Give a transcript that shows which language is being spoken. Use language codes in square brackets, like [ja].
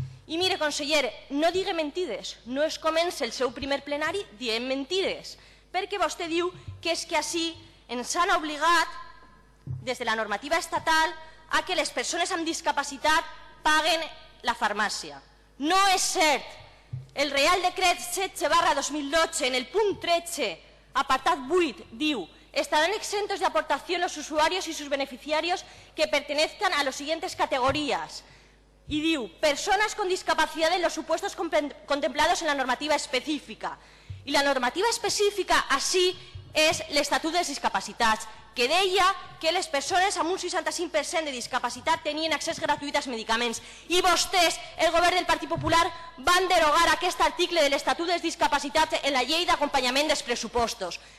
[ca] I mire, conseller, no digui mentides, no es comença el seu primer plenari dient mentides, perquè vostè diu que és que així ens han obligat des de la normativa estatal a que les persones amb discapacitat paguen la farmàcia. No és cert. El Real Decret 16/2012, en el punt 13, apartat 8, diu: [es] estarán exentos de aportación los usuarios y sus beneficiarios que pertenezcan a las siguientes categorías. Y diu: personas con discapacidad en los supuestos contemplados en la normativa específica. Y la normativa específica así es [ca] el Estatut de Discapacitats, que deia que les persones amb un 65% de discapacitat tenien accés gratuït als medicaments. I vostès, el govern del Partit Popular, van derogar aquest article de l'Estatut de Discapacitats en la llei d'acompanyament dels pressupostos.